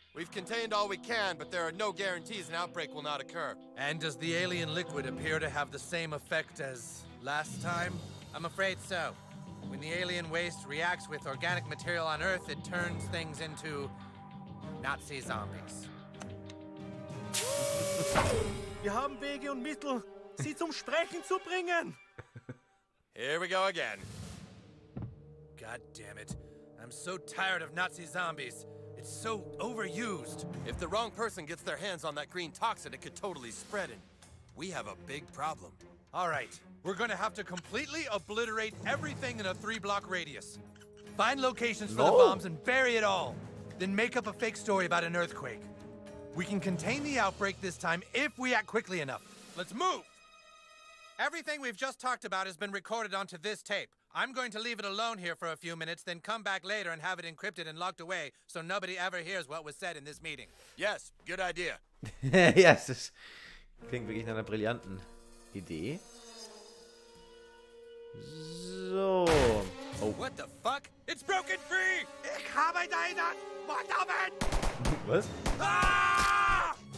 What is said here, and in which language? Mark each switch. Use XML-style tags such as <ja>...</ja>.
<en>We've contained all we can, but there are no guarantees an outbreak will not occur. And does the alien liquid appear to have the same effect as last time? I'm afraid so. When the alien waste reacts with organic material on Earth, it turns things into Nazi zombies.</en> <de>Wir haben Wege und Mittel, sie zum Sprechen zu bringen.</de> <en>Here we go again. God damn it. I'm so tired of Nazi zombies. It's so overused. If the wrong person gets their hands on that green toxin, it could totally spread and we have a big problem. All right. We're gonna have to completely obliterate everything in a 3-block radius. Find locations for the bombs and bury it all. Then make up a fake story about an earthquake. We can contain the outbreak this time if we act quickly enough. Let's move! Everything we've just talked about has been recorded onto this tape. I'm going to leave it alone here for a few minutes, then come back later and have it encrypted and locked away, so nobody ever hears what was said in this meeting. Yes, good idea.</en> <de>Yes, das klingt wirklich nach einer brillanten Idee. So.</de> <en>Oh. What the fuck? It's broken free!</en> <de>Ich habe deine Mutterman! Was? Ah!</de>